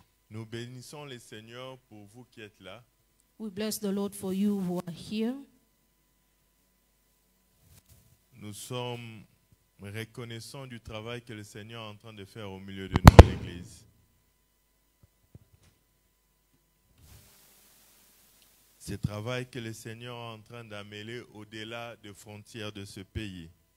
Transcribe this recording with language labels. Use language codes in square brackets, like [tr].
[fr] Nous bénissons le Seigneur pour vous qui êtes là. [en] We bless the Lord for you who are here. [fr] Nous sommes reconnaissants du travail que le Seigneur est en train de faire au milieu de nous, l'Église. Ce travail que le Seigneur est en train d'amener au-delà des frontières de ce pays.